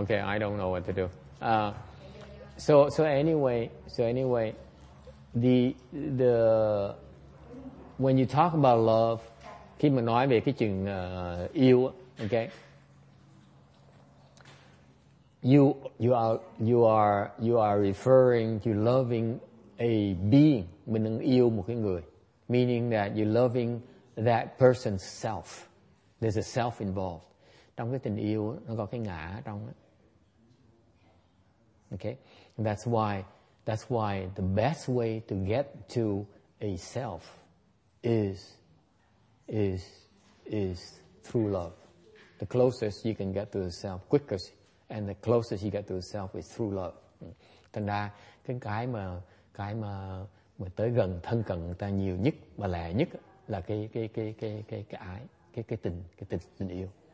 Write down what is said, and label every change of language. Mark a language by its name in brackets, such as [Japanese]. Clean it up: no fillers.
[English] Okay, I don't know what to do. So anyway, the when you talk about love, [Vietnamese] khi mà nói về cái chuyện yêu, [English] okay, you are referring to loving a being. [Vietnamese] Mình đang yêu một cái người, [English] meaning that you're loving that person's self. There's a self involved. [Vietnamese] Trong cái tình yêu nó có cái ngã trong đó. [English] Okay, that's why the best way to get to a self is through love. The closest you can get to the self, quickest, and the closest you get to the self is through love. [Vietnamese] Thành ra cái mà tới gần thân cận người ta nhiều nhất và lẹ nhất là cái tình yêu.